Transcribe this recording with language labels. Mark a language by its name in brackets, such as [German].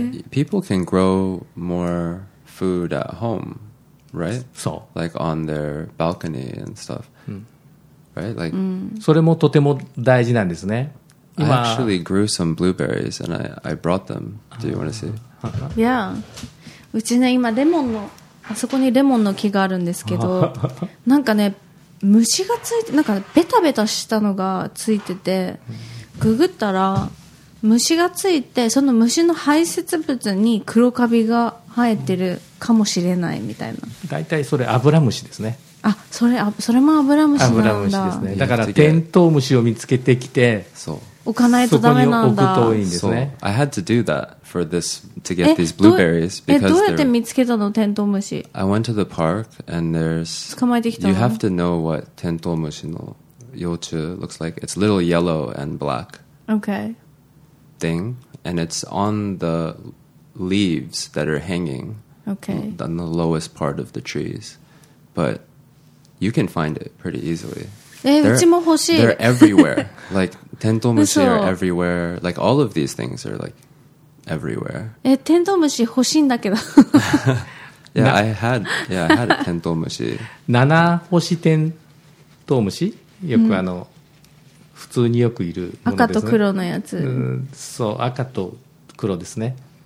[English] People can grow more food at home, right? [Japanese] そう。 [English] Like on their balcony and stuff, right? Like [Japanese] それもとても大事なんですね。 [English] I actually grew some blueberries and I brought them. Do you want to see? [Japanese] Yeah. うちね、今レモンの、あそこにレモンの木があるんですけど、なんかね、虫がついて、なんかベタベタしたのがついてて、ググったら、虫がついて、その虫の排泄物に黒カビが生えてるかもしれないみたいな。大体それアブラムシですね。あ、それもアブラムシなんだ。アブラムシですね。だからテントウムシを見つけてきて、そう。置かないとダメなんだ。そこに置くといいんですね。 [English] So, I had to do that for this to get these blueberries [Japanese] because どうやって見つけたの、テントウムシ。 [English] I went to the park and there's [Japanese] 捕まえてきたの。 [English] You have to know what [Japanese] テントウムシの幼虫 [English] looks like. It's little yellow and black. Okay. Thing and it's on the leaves that are hanging. Okay. On the lowest part of the trees, but you can find it pretty easily. [Japanese] うちも欲しい。 [English] They're everywhere. Like, テントウムシ are everywhere. Like, all of these things are, like, everywhere. [Japanese] テントウムシ欲しいんだけど。 [English] Yeah, I had テントウムシ。 [Japanese] 七星テントウムシ？よく普通によくいるものですね。赤と黒のやつ。そう、赤と黒ですね。